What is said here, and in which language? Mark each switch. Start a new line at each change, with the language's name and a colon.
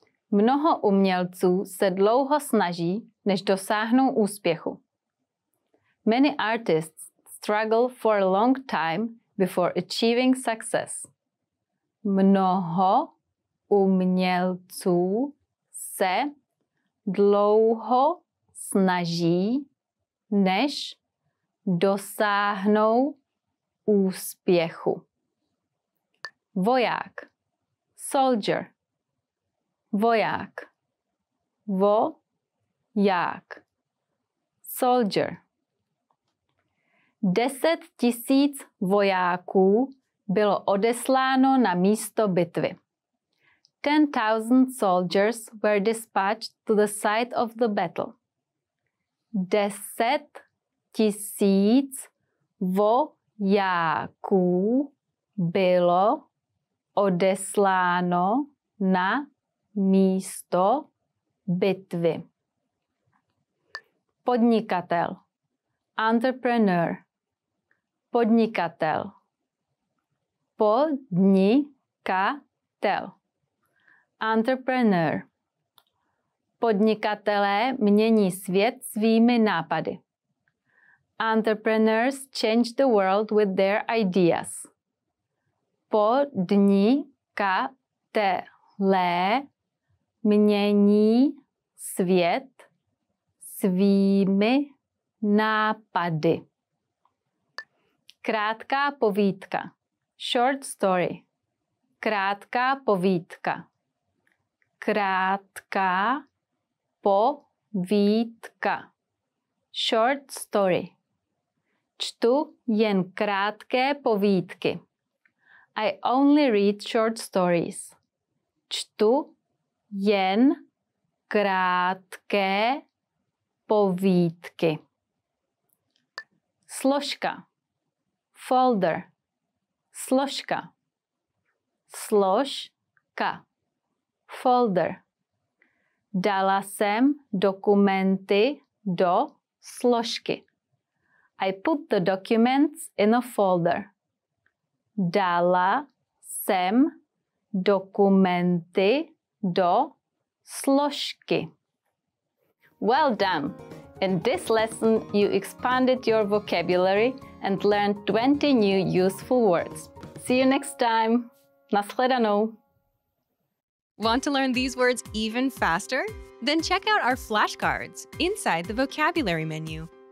Czech: Mnoho umělců se dlouho snaží, než dosáhnou úspěchu.
English: Many artists struggle for a long time before achieving success.
Czech: Mnoho umělců se dlouho snaží, než dosáhnou úspěchu. Voják.
English: Soldier.
Czech: Voják. Voják.
English: Soldier.
Czech: 10 000 vojáků bylo odesláno na místo bitvy.
English: 10,000 soldiers were dispatched to the site of the battle. 10,000
Czech: jaků bylo odesláno na místo bitvy. Podnikatel.
English: Entrepreneur.
Czech: Podnikatel. Podnikatel.
English: Entrepreneur.
Czech: Podnikatelé mění svět svými nápady.
English: Entrepreneurs change the world with their ideas.
Czech: Podnikatelé mění svět svými nápady. Krátká povídka.
English: Short story.
Czech: Krátká povídka. Krátká povídka.
English: Short story.
Czech: Čtu jen krátké povídky.
English: I only read short stories.
Czech: Čtu jen krátké povídky. Složka.
English: Folder.
Czech: Složka. Složka.
English: Folder.
Czech: Dala jsem dokumenty do složky.
English: I put the documents in a folder.
Czech: Dala jsem dokumenty do složky.
English: Well done! In this lesson, you expanded your vocabulary and learned 20 new useful words. See you next time!
Czech: Naschledanou!
English: Want to learn these words even faster? Then check out our flashcards inside the vocabulary menu.